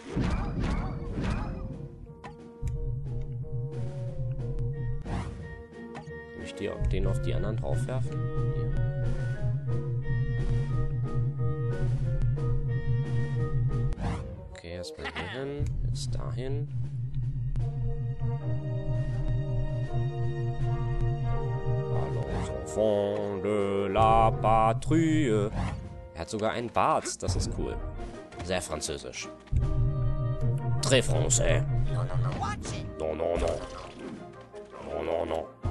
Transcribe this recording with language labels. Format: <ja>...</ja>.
<de>Kann ich den auf die anderen drauf werfen? Ja. Okay, erstmal dahin, jetzt dahin.</de> <fr>Allons enfants de la patrie.</fr> <de>Er hat sogar einen Bart, das ist cool. Sehr französisch. Très français.</de> <fr>Non, non, non. Non, non, non. Non, non, non.</fr>